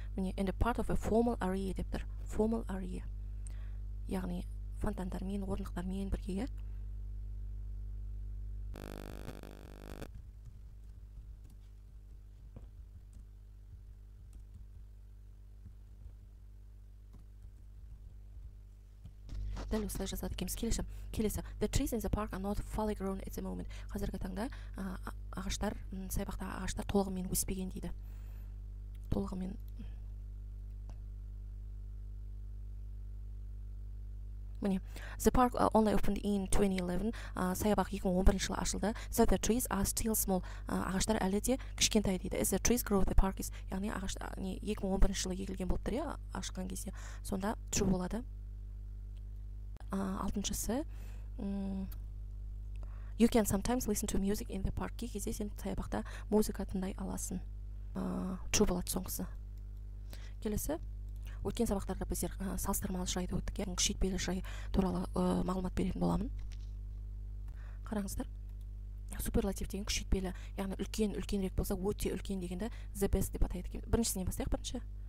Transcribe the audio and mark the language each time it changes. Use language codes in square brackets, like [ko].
[kk] Міне, [en] and a part of a formal area [kk] деп тұр. [en] Formal area. [kk] Яғни фонтандармен, орындықтармен бірге, иә? Дәл осылай жазады екенбіз. Келесі. [en] The trees in the park are not fully grown at the moment. [kk] Қазіргі таңда ағаштар, саябақта ағаштар толығымен өспеген дейді. Толығымен. [en] Міне. The park only opened in 2011. [kk] Саябақ 2011 жылы ашылды. [en] So the trees are still small. [kk] Ағаштар әлі де кішкентай дейді. [en] As the trees grow, the park is... [kk] Яғни ағаштар 2011 жылы егілген болып тұр, иә, ашқан кезде. Сонда true болады. Алтыншысы, [en] you can sometimes listen to music in the park. [kk] Кезде сен саябақта музыка тыңдай аласың. True болады соңғысы. Келесі, өткен сабақтарда біздер салыстырмалы шырайды өттік, күшейтпелі шырай туралы мағлұмат беретін боламын. Қараңыздар, суперлатив деген күшейтпелі, яғни үлкен үлкенірек болса, өте үлкен дегенді [en] the best [kk] деп атайды екен. Біріншісінен бастайық, бірінші.